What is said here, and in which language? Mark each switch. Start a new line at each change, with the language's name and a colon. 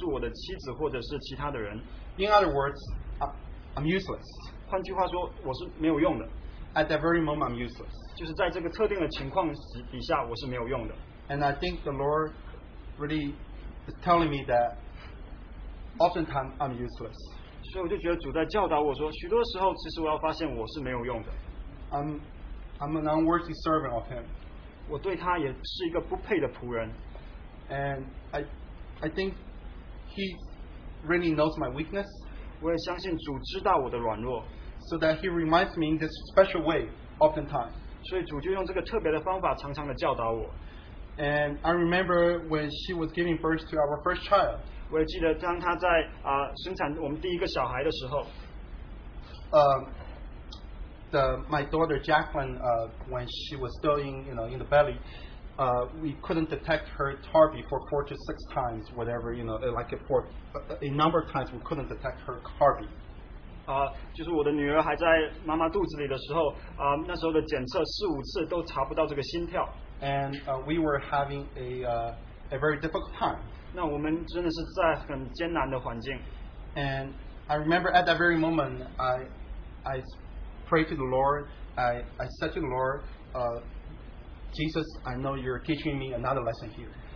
Chinese: 就说无论是我知道应该怎么做或者不知道，但是在这个发生的特定的环境中，我并不能够帮助我的妻子或者是其他的人。
English: In other words, I'm useless.
Chinese: 换句话说，我是没有用的。
English: At that very moment, I'm useless.
Chinese: 就是在这个特定的情况底下，我是没有用的。
English: And I think the Lord really is telling me that oftentimes I'm useless.
Chinese: 所以我就觉得主在教导我说，许多时候其实我要发现我是没有用的。
English: I'm an unworthy servant of Him.
Chinese: 我对他也是一个不配的仆人。And
English: I think He really knows my weakness.
Chinese: 我也相信主知道我的软弱。So
English: that He reminds me in this special way, oftentimes.
Chinese: 所以主就用这个特别的方法常常的教导我。
English: And I remember when she was giving birth to our first child.
Chinese: 我也记得当她在生产我们第一个小孩的时候。
English: My daughter Jacqueline, when she was still in the belly, we couldn't detect her heart before 4 to 6 times, whatever, a number of times we couldn't detect her heartbeat.
Chinese: 就是我的女儿还在妈妈肚子里的时候，那时候的检测4-5次都查不到这个心跳。
English: And we were having a very difficult time.
Chinese: 那我们真的是在很艰难的环境。
English: And I remember at that very moment, I prayed to the Lord. I said to the Lord, Jesus, I know you're teaching me another lesson here.